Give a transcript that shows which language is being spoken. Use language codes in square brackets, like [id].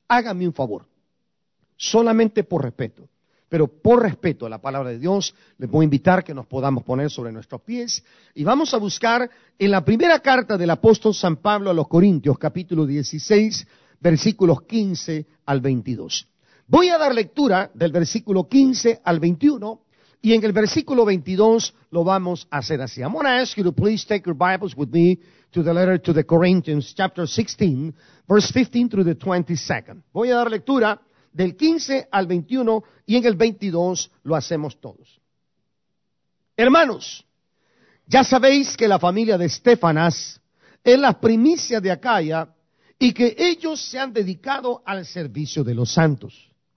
[es] Hágame un favor, solamente por respeto, pero por respeto a la palabra de Dios, les voy a invitar que nos podamos poner sobre nuestros pies y vamos a buscar en la primera carta del apóstol San Pablo a los Corintios, capítulo 16, versículos 15 al 22. Voy a dar lectura del versículo 15 al 21, y en el versículo 22 lo vamos a hacer así. [en] I'm going to ask you to please take your Bibles with me to the letter to the Corinthians, chapter 16, verse 15 through the 22nd. [es] Voy a dar lectura del 15 al 21, y en el 22 lo hacemos todos. Hermanos, ya sabéis que la familia de Estefanas es la primicia de Acaya, y que ellos se han dedicado al servicio de los santos.